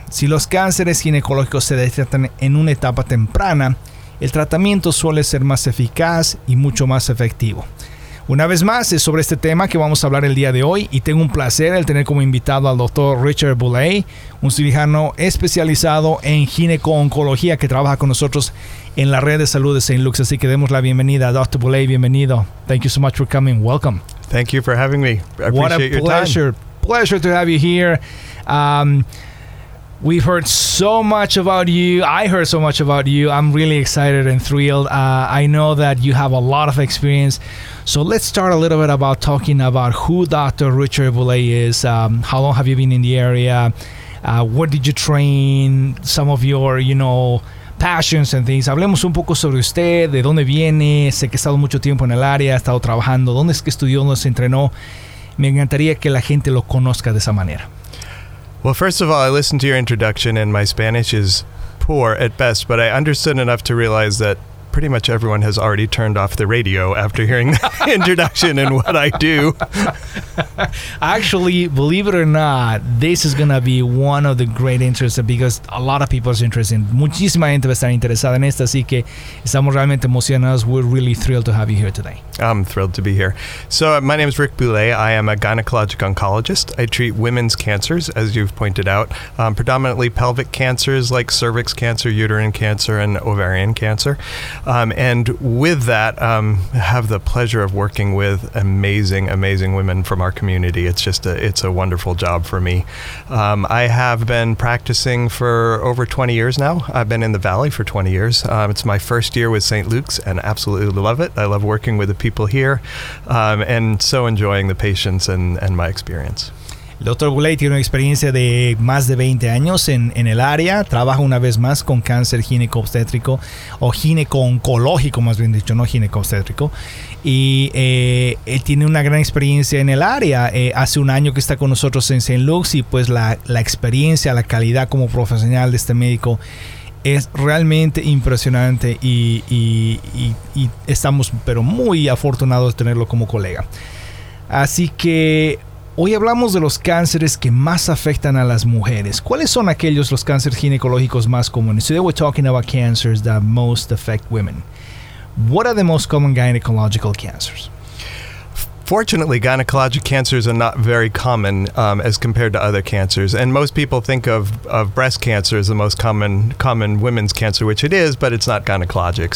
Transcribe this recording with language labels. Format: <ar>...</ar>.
<es>Si los cánceres ginecológicos se detectan en una etapa temprana, el tratamiento suele ser más eficaz y mucho más efectivo. Una vez más, es sobre este tema que vamos a hablar el día de hoy y tengo un placer el tener como invitado al Dr. Richard Boulay, un cirujano especializado en gineco-oncología que trabaja con nosotros en la Red de Salud de St.</es> <en>Luke's.</en> <es>Así que demos la bienvenida. Dr. Boulay, bienvenido.</es> <en>Thank you so much for coming. Welcome. Thank you for having me. I appreciate your time. What a pleasure. Pleasure to have you here. We've heard so much about you. I heard so much about you. I'm really excited and thrilled. I know that you have a lot of experience. So let's start a little bit about talking about who Dr. Richard Boulay is. How long have you been in the area? Where did you train? Some of your, you know, passions and things.</en> <es>Hablemos un poco sobre usted, de dónde viene. Sé que ha estado mucho tiempo en el área, ha estado trabajando. ¿Dónde es que estudió? ¿Dónde se entrenó? Me encantaría que la gente lo conozca de esa manera.</es> <en>Well, first of all, I listened to your introduction and my Spanish is poor at best, but I understood enough to realize that pretty much everyone has already turned off the radio after hearing the introduction and what I do. Actually, believe it or not, this is going to be one of the great interests because a lot of people are interested.</en> <es>Muchísima gente va a estar interesada en esto, así que estamos realmente emocionados.</es> <en>We're really thrilled to have you here today. I'm thrilled to be here. So my name is Rick Boulay. I am a gynecologic oncologist. I treat women's cancers, as you've pointed out, predominantly pelvic cancers like cervix cancer, uterine cancer, and ovarian cancer. And with that, have the pleasure of working with amazing, amazing women from our community. It's just it's a wonderful job for me. I have been practicing for over 20 years now. I've been in the Valley for 20 years. It's my first year with St. Luke's and absolutely love it. I love working with the people here and so enjoying the patients and my experience.</en> <es>El Dr. Boulay tiene una experiencia de más de 20 años en el área. Trabaja una vez más con cáncer gineco-obstétrico o gineco-oncológico, más bien dicho, no gineco-obstétrico. Y él tiene una gran experiencia en el área. Hace un año que está con nosotros en St. Luke's y pues la experiencia, la calidad como profesional de este médico es realmente impresionante y estamos pero muy afortunados de tenerlo como colega. Así que hoy hablamos de los cánceres que más afectan a las mujeres. ¿Cuáles son aquellos los cánceres ginecológicos más comunes?</es> <en>Today we're talking about cancers that most affect women. What are the most common gynecological cancers? Fortunately, gynecologic cancers are not very common as compared to other cancers. And most people think of breast cancer as the most common women's cancer, which it is, but it's not gynecologic.</en>